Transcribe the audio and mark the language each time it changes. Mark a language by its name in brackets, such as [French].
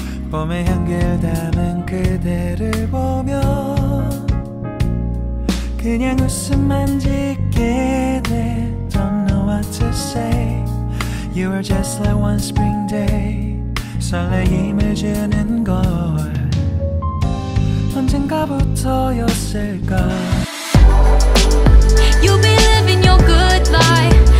[Korean] 봄의 향기를 담은 그대를 보며 그냥 웃음만 짓게 돼. [English] Don't know what to say. You are just like one spring day. [Korean] 설레임을 주는 걸 언젠가부터였을까. [English] You believe in your good life.